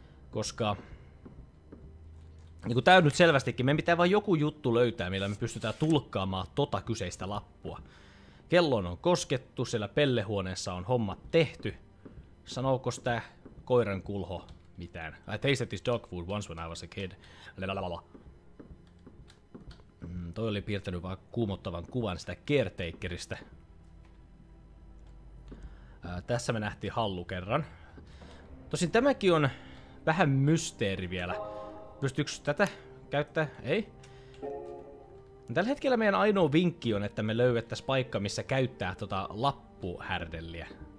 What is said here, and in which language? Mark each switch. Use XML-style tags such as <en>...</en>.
<fi>Koska niinku tää nyt selvästikin, meidän pitää vaan joku juttu löytää, millä me pystytään tulkkaamaan tota kyseistä lappua. Kelloon on koskettu, siellä pellehuoneessa on hommat tehty. Sanookos tää koiran kulho mitään?</fi> <en>I tasted this dog food once when I was a kid. Lalalala.</en> <fi>Toi oli piirtänyt vaan kuumottavan kuvan sitä caretakerista. Tässä me nähtiin hallu kerran. Tosin tämäkin on vähän mysteeri vielä. Pystyykö tätä käyttää? Ei. Tällä hetkellä meidän ainoa vinkki on, että me löydettäis paikka, missä käyttää tota lappuhärdelliä.</fi>